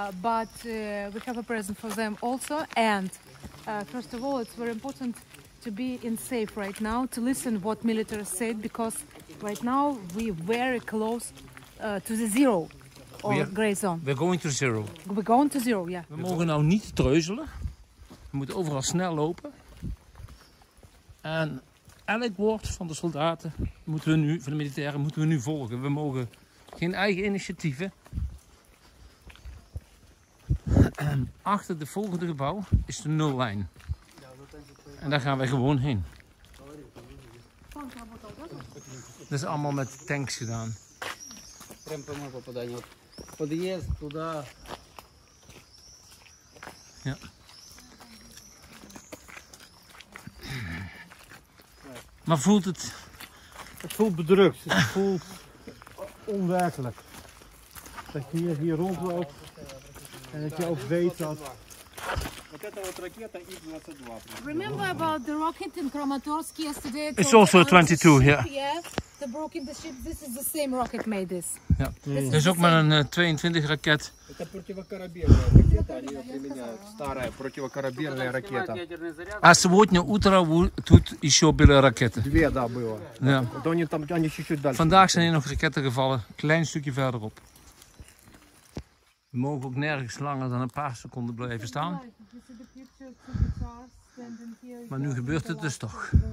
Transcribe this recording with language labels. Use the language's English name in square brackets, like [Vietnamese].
[English] But we have a present for them also. And first of all, it's very important to be in safe right now, to listen what military said, because right now we're very close to the zero. We're going to zero, yeah. [Dutch] We mogen nou niet treuzelen. We moeten overal snel lopen. En elk woord van de soldaten moeten we nu, van de militairen, moeten we nu volgen. We mogen geen eigen initiatieven. En achter de volgende gebouw is de nullijn. En daar gaan wij gewoon heen. Dat is allemaal met tanks gedaan. [Russian] Подъезд туда. [Dutch] Ja. Maar voelt het? Het voelt bedrukt. Het voelt onwerkelijk. Dat je hier rondloopt en dat je ook weet dat. [English] Remember about the rocket in Kramatorsk yesterday? It's also a 22, yeah. The broken the ship, this is the same rocket made this. [Dutch] Ja, dat is ook maar een 22 raket. [Russian] А сегодня утро тут еще были ракеты. Две, да, было. Ja. Да, они там, они чуть-чуть дальше. [Dutch] Vandaag zijn hier nog raketten gevallen, klein stukje verderop. We mogen ook nergens langer dan een paar seconden blijven staan. Maar nu gebeurt het dus toch.